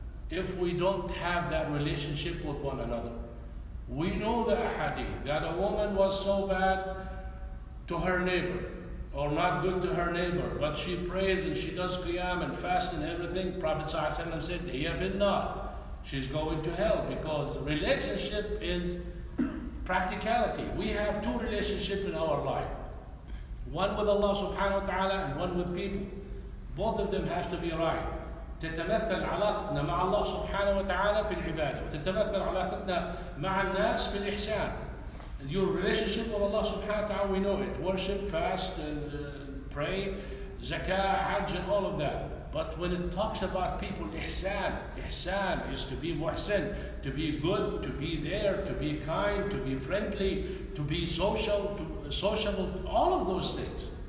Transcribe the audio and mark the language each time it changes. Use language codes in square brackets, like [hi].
[en] If we don't have that relationship with one another, we know the ahadith that a woman was so bad to her neighbor, or not good to her neighbor, but she prays and she does qiyam and fast and everything. Prophet ﷺ said, she's going to hell, because relationship is practicality. We have two relationships in our life. One with Allah subhanahu wa ta'ala and one with people. Both of them have to be right. [ar] تتمثل علاقتنا مع الله سبحانه وتعالى في العبادة وتتمثل علاقتنا مع الناس في الإحسان. [en] Your relationship with Allah subhanahu wa ta'ala, we know it. Worship, fast, pray, zakah, hajj, and all of that. But when it talks about people, ihsan, ihsan is to be muhsin, to be good, to be there, to be kind, to be friendly, to be social, sociable, all of those things.